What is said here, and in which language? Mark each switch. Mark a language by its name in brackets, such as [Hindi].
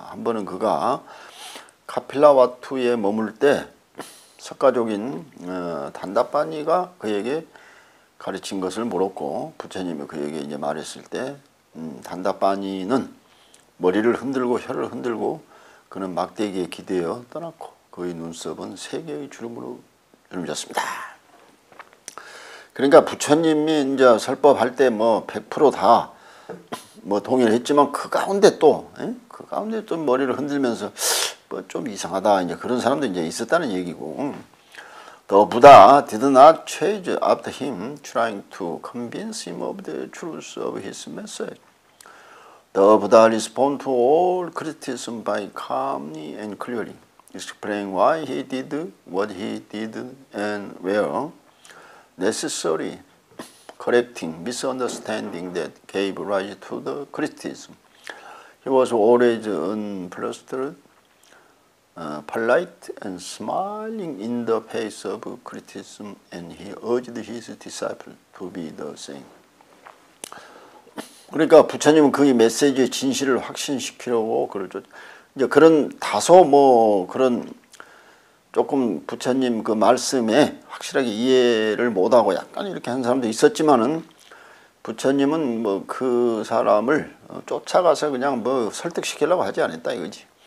[Korean] 한 번은 그가 카필라와투에 머물 때 석가족인 단다빠니가 그에게 가르친 것을 물었고 부처님이 그에게 이제 말했을 때 단다빠니는 머리를 흔들고 혀를 흔들고 그는 막대기에 기대어 떠났고 그의 눈썹은 세 개의 주름으로 주름졌습니다. 그러니까 부처님이 이제 설법할 때 뭐 100% 다 뭐 동의를 했지만 그 가운데 또 그 가운데 또 머리를 흔들면서 뭐 좀 이상하다 이제 그런 사람도 이제 있었다는 얘기고. [English] The Buddha did not chase after him, trying to convince him of the truth of his message. The Buddha responded to all criticism by calmly and clearly, explaining why he did what he did and where. Necessary correcting misunderstanding that gave rise to the criticism. He was always unflustered, polite, and smiling in the face of criticism, and he urged his disciples to be the same. [Korean] 그러니까 부처님은 그의 메시지의 진실을 확신시키려고 그를 이제 그런 다소 뭐 그런 조금 부처님 그 말씀에 확실하게 이해를 못하고 약간 이렇게 한 사람도 있었지만은 부처님은 뭐 그 사람을 쫓아가서 그냥 뭐 설득시키려고 하지 않았다 이거지.